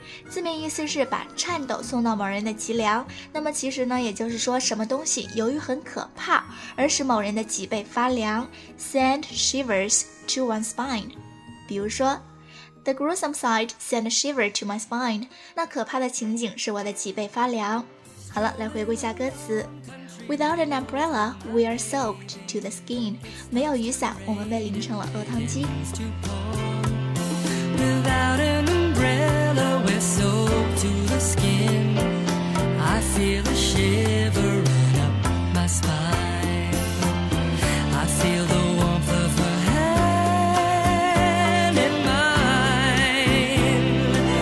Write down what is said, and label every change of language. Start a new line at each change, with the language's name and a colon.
Chinese: 字面意思是把颤抖送到某人的脊梁，那么其实呢，也就是说什么东西由于很可怕而使某人的脊背发凉。
English: Send shivers to one's spine.
Chinese: 比如说
English: The gruesome sight sent a shiver to my spine.
Chinese: 那可怕的情景使我的脊背发凉。好了，来回顾一下歌词。
English: Without an umbrella, we are soaked to the skin.
Chinese: 没有雨伞，我们被淋成了落汤鸡。
English: Without an umbrella, we're soaked to the skin. I feel a shiver run up my spine. I feel the warmth of her hand in mine.